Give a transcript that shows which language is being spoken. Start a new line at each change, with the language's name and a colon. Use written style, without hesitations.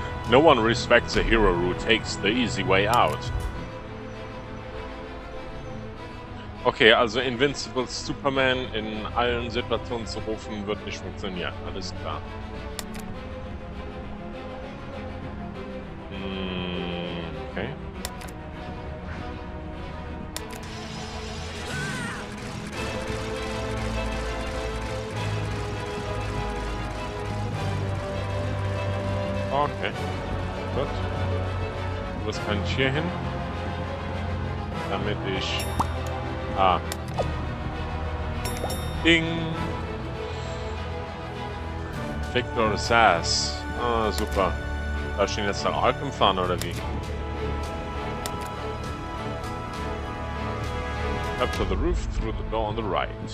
English: No one respects a hero who takes the easy way out.
German: Okay, also Invincible Superman in allen Situationen zu rufen, wird nicht funktionieren. Alles klar. Hm. Okay. Okay. Gut. Was kann ich hier hin? Damit ich... Ah. Ding! Victor Sass. Ah, super. Darf ich den jetzt nach Arkham fahren, oder wie?
English: Up to the roof, through the door on the right.